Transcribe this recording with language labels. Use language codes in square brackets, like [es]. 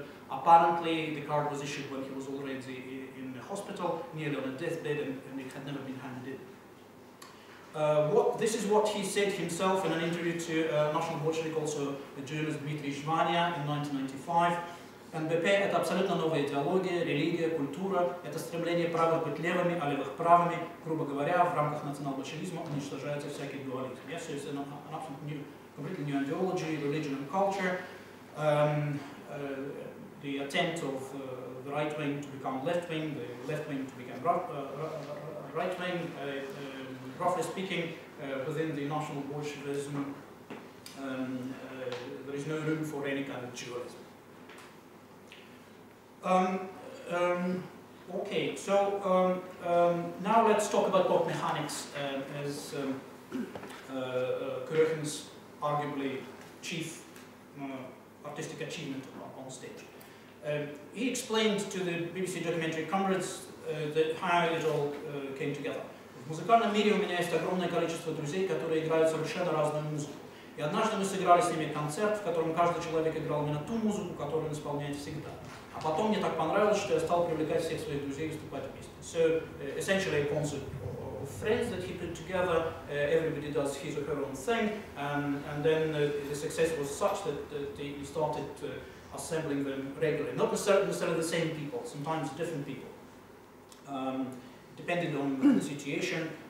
[en] Apparently the card was issued when he was already in the hospital, nearly on a deathbed, and it had never been handed in. This is what he said himself in an interview to National Bolshevik, also the journalist Dmitry Zhvania, in 1995. [ru] НБП – это абсолютно новая идеология, религия, культура. Это стремление правых быть левыми, а левых правыми. Грубо говоря, в рамках национал-большевизма уничтожается всякий дуализм. [en] Yes, so it's an absolute new, completely new ideology, religion and culture. The attempt of the right wing to become left wing, the left wing to become right wing, roughly speaking, within the national Bolshevism, there is no room for any kind of dualism. Okay, so now let's talk about pop mechanics as Kurekhin's arguably chief artistic achievement on stage. He explained to the BBC documentary Comrades that how it all came together. [ru] В музыкальном мире у меня есть огромное количество друзей, которые играют совершенно разную музыку. И однажды мы сыграли с ними концерт, в котором каждый человек играл именно ту музыку, которую он исполняет всегда. А потом мне так понравилось, что я стал привлекать всех своих друзей выступать вместе. [en] So, essentially a concert of friends that he put together. Everybody does his or her own thing. And then the success was such that he started assembling them regularly. Not necessarily the same people, sometimes different people. Depending on the situation.